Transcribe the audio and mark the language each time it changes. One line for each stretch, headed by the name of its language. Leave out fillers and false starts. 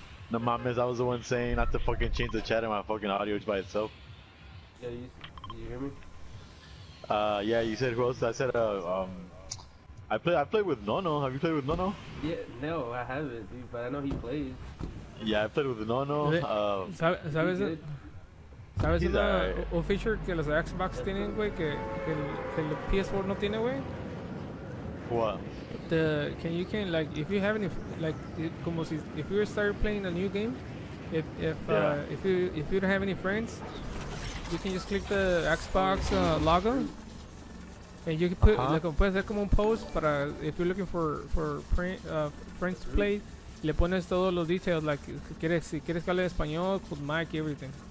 Spanish: No mames,
English: I was the one saying not to fucking change the chat and my fucking audio by itself. Yeah, you hear me? Yeah, you said who else? I said, I play with Nono. Have you played with Nono? Yeah, no, I haven't, dude, but I know he plays. Yeah, I played with Nono.
Spanish: ¿Sabes una un feature que los Xbox tienen, güey, que el PS4 no tiene, güey?
English: What? If you start playing a new game, if you don't have any friends, you can just click the Xbox logo. And you can put like a post para if you're looking for friends to play,
Spanish: le pones todos los
English: details like
Spanish: si quieres hablar español,
English: put mic, everything.